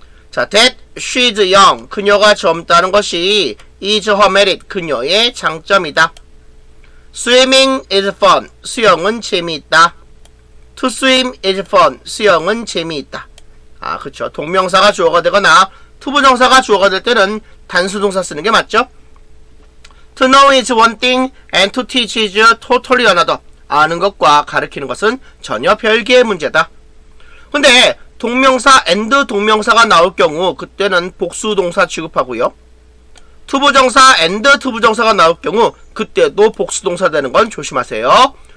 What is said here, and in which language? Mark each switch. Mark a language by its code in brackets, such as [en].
[en] 자, that she's young, [ko] 그녀가 젊다는 것이 [en] is her merit, [ko] 그녀의 장점이다. [en] Swimming is fun, [ko] 수영은 재미있다. [en] To swim is fun, 수영은 재미있다. [ko] 아, 그렇죠. 동명사가 주어가 되거나 투부정사가 주어가 될 때는 단수 동사 쓰는 게 맞죠? [en] To know is one thing and to teach is totally another. [ko] 아는 것과 가르치는 것은 전혀 별개의 문제다. 근데 동명사 and 동명사가 나올 경우 그때는 복수 동사 취급하고요. 투부정사 and 투부정사가 나올 경우 그때도 복수 동사 되는 건 조심하세요.